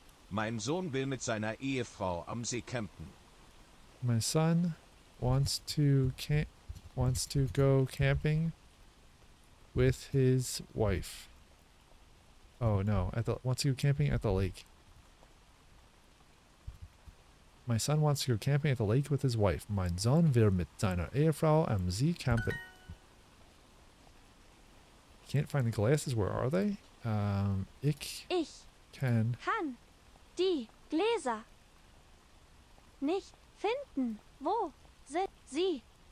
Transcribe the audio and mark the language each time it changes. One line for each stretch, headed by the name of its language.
German: Mein Sohn will mit seiner Ehefrau am See campen.
English: My son wants to go camping with his wife. Oh no, wants to go camping at the lake. My son wants to go camping at the lake with his wife. Mein Sohn will mit seiner Ehefrau am See campen. Can't find the glasses. Where are they?
German: Ich kann Han die Gläser nicht finden. Wo sind sie?